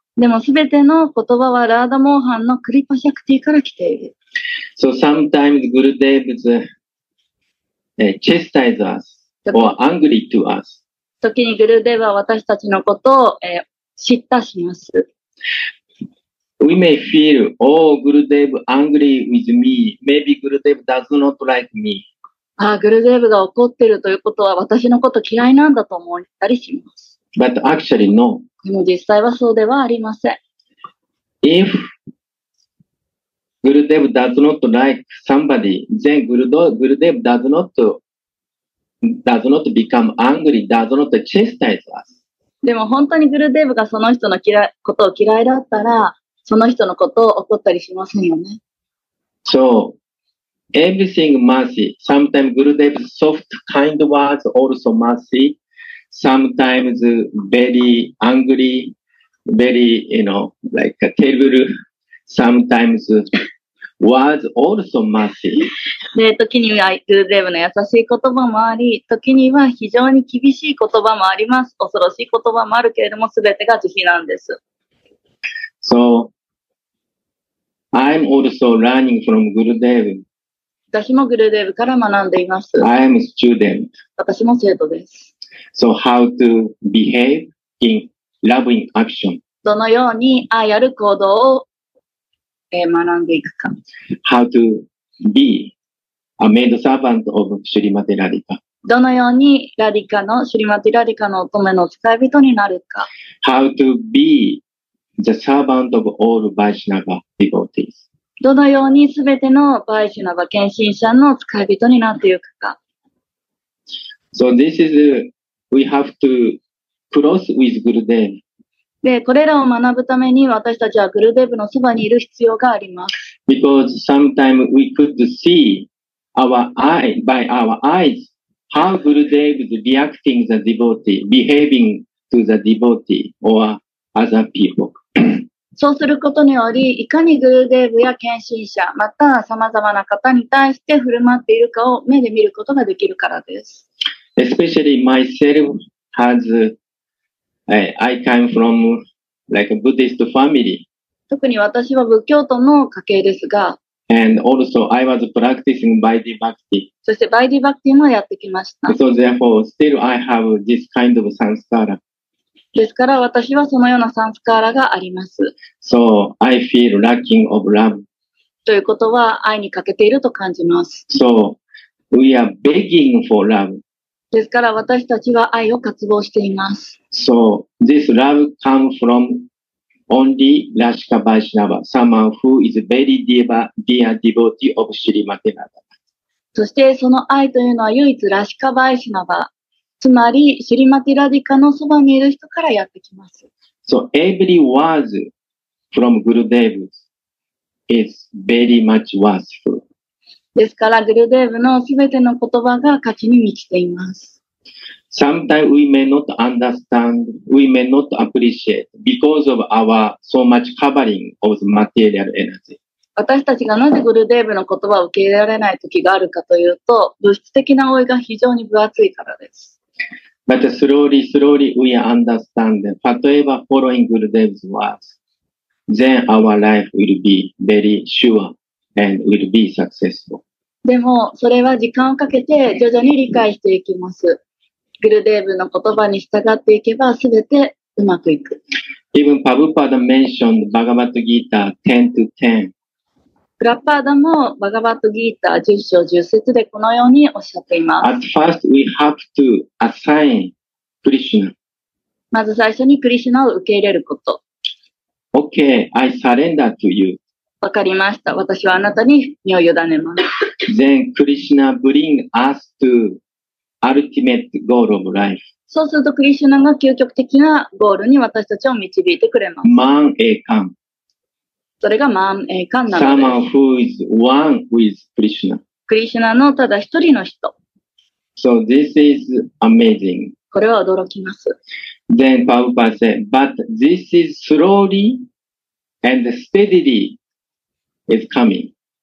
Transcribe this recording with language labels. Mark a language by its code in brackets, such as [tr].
[ja] でも全ての言葉はラーダモーハンのクリパシャクティから来ている。 [en] So sometimes Gurudev chastise us or angry to us. [ja] 時にグルデーブは私たちのことを、叱咤します。 [en] We may feel, oh, Gurudev angry with me. Maybe Gurudev does not like me. [ja] ああ、グルデーブが怒ってるということは私のこと嫌いなんだと思ったりします。 [en] But actually, no. [ja] でも実際はそうではありません。 [en] If Gurudev does not like somebody, then Gurudev does not become angry, does not chastise us. [ja] でも本当にグルデーブがその人のことを嫌いだったら、その人のことを怒ったりしませんよね。 [en] So, everything mercy. Sometimes Gurudev's soft, kind words also mercy. Sometimes very angry, very, you know, like a terrible. Sometimes words also mercy. [ja] で、時には Gurudev の優しい言葉もあり、時には非常に厳しい言葉もあります。恐ろしい言葉もあるけれども、すべてが慈悲なんです。 [en] So,I'm also learning from Gurudev. [ja] 私もグルデーブから学んでいます。 [en] I'm a student. [ja] 私も生徒です。 [en] So how to behave in loving action? [ja] どのように愛ある行動を、学んでいくか。 [en] How to be a maid servant of シュリマテラディカ。 [ja] どのようにラディカのシュリマテラディカの乙女の使い人になるか。 [en] How to beThe servant of all Vaishnava devotees. [ja] どのようにすべてのバイシナバ献身者の使い人になっていくか。 [en] So this is, we have to cross with Gurudev. [ja] で、これらを学ぶために私たちはグルデーブのそばにいる必要があります。 [en] Because sometimes we could see by our eyes, how Gurudev is reacting to the devotee, behaving to the devotee or other people. [ja] そうすることにより、いかにグルデーブや献身者、また様々な方に対して振る舞っているかを目で見ることができるからです。 [en] Especially myself has, I come from like a Buddhist family. [ja] 特に私は仏教徒の家系ですが、 [en] And also I was practicing Vaidhi Bhakti. [ja] そしてバイディバクティもやってきました。 [en] So therefore, still I have this kind of samskara. [ja] ですから私はそのようなサンスカーラがあります。 [en] So, I feel lacking of love. [ja] ということは愛に欠けていると感じます。 [en] So, we are begging for love. [ja] ですから私たちは愛を渇望しています。 [en] So, this love comes from only Rashika Vaishnava, someone who is very dear devotee of Sri Matenada. [ja] そしてその愛というのは唯一ラシカバイシナバ、つまりシリマティラディカのそばにいる人からやってきます。 [en] So every word from Gurudev is very much worthful. [ja] ですからグルデーブのすべての言葉が価値に満ちています。 [en] Sometimes we may not understand, we may not appreciate because of our so much covering of the material energy. [ja] 私たちがなぜグルデーブの言葉を受け入れられない時があるかというと、物質的な覆いが非常に分厚いからです。 [en] But slowly, slowly we understand that whatever following Gurudev's words, then our life will be very sure and will be successful. [ja] でも、それは時間をかけて徐々に理解していきます。グルデーブの言葉に従っていけば全てうまくいく。 [en] Even Prabhupada mentioned Bhagavad Gita 10-10. [ja] プラッパーダもバガバットギータ10章10節でこのようにおっしゃっています。 [en] At first we have to assign Krishna. [ja] まず最初にクリシュナを受け入れること。 [en] OK, I surrender to you. [ja] わかりました、私はあなたに身を委ねます。 [en] Then Krishna bring us to ultimate goal of life. [ja] そうするとクリシュナが究極的なゴールに私たちを導いてくれます。 [sa] Man Ekan [ja] それがマンエカンなので。 [en] Someone who is one with Krishna. [ja] クリシュナのただ一人の人。 [en] So this is amazing. [ja] これは驚きます。 [en] Then Prabhupada said, but this is slowly and steadily is coming.